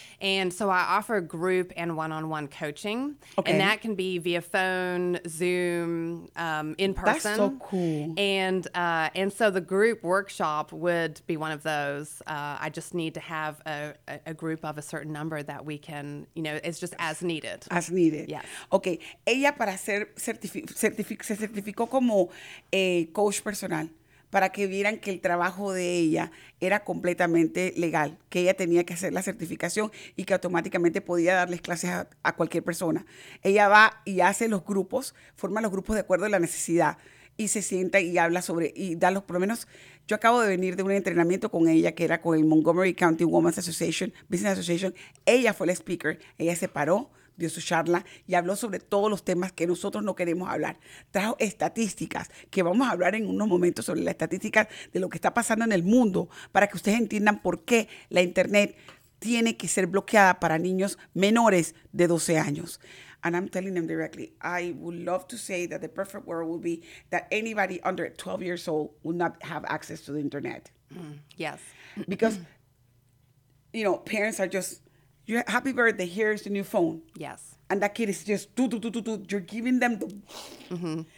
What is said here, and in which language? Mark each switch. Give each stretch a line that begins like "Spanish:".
English: And so I offer group and one-on-one coaching, okay. And that can be via phone, Zoom, in person. That's so cool. And so the group workshop would be one of those. I just need to have a group of a certain number that we can, you know, it's just as needed. As needed. Yeah. Okay.
Spanish: Ella para ser se certificó como coach personal. Para que vieran que el trabajo de ella era completamente legal, que ella tenía que hacer la certificación y que automáticamente podía darles clases a cualquier persona. Ella va y hace los grupos, forma los grupos de acuerdo a la necesidad y se sienta y habla sobre, y da los, por lo menos, yo acabo de venir de un entrenamiento con ella que era con el Montgomery County Women's Association, Business Association. Ella fue la speaker, ella se paró, dio su charla y habló sobre todos los temas que nosotros no queremos hablar. Trajo estadísticas, que vamos a hablar en unos momentos sobre las estadísticas de lo que está pasando en el mundo para que ustedes entiendan por qué la internet tiene que ser bloqueada para niños menores de 12 años.
English: And I'm telling them directly, I would love to say that the perfect world would be that anybody under 12 years old would not have access to the internet. Mm, yes. Because, you know, parents are just... Happy birthday, here's the new phone. Yes. And that kid is just, you're giving them the... Mm-hmm.